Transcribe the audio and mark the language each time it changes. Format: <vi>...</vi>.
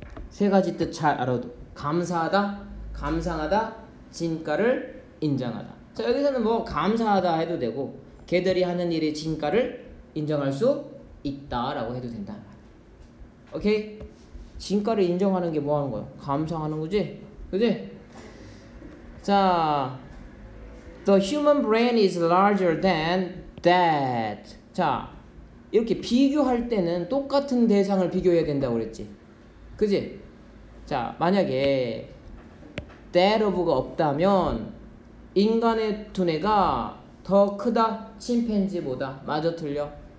<ko>세 가지 뜻 잘 알아도 감사하다, 감상하다, 진가를 인정하다. 자 여기서는 뭐 감사하다 해도 되고 걔들이 하는 일의 진가를 인정할 수 있다라고 해도 된다. 오케이? 진가를 인정하는 게 뭐 하는 거야? 감상하는 거지? 그지? 자</ko> <en>The human brain is larger than that.</en> <ko>자 이렇게 비교할 때는 똑같은 대상을 비교해야 된다고 그랬지? 그지? 자 만약에 that of가 없다면 인간의 두뇌가 더 크다? 침팬지보다? 맞아 틀려?</ko>